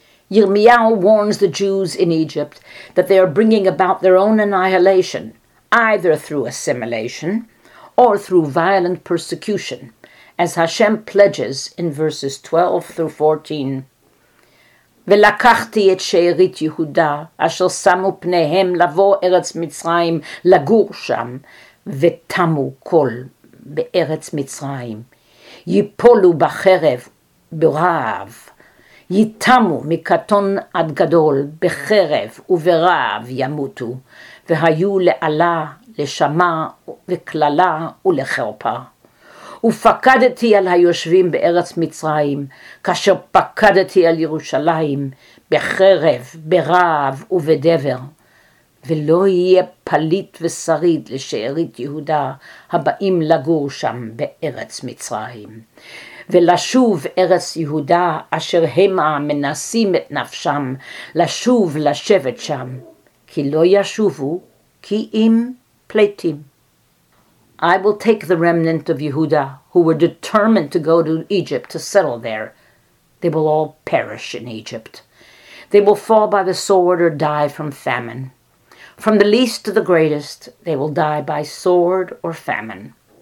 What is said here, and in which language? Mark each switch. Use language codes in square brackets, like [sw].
[en] Yirmiyahu warns the Jews in Egypt that they are bringing about their own annihilation, either through assimilation or through violent persecution, as Hashem pledges in verses 12 through 14. [he] ולקחתי את שארית יהודה, אשר שמו פניהם לבוא ארץ מצרים, לגור שם, ותמו כל בארץ מצרים. ייפולו בחרב, ברעב, ייתמו מקטון עד גדול, בחרב וברעב ימותו, והיו לעלה, לשמה, וכללה ולחרפה. ופקדתי על היושבים בארץ מצרים, כאשר פקדתי על ירושלים, בחרב, ברעב ובדבר. ולא יהיה פליט ושריד לשארית יהודה, הבאים לגור שם בארץ מצרים. ולשוב ארץ יהודה, אשר המה מנסים את נפשם, לשוב לשבת שם, כי לא ישובו, כי אם פליטים. [en] I will take the remnant of Yehuda, who were determined to go to Egypt to settle there. They will all perish in Egypt. They will fall by the sword or die from famine. From the least to the greatest, they will die by sword or famine.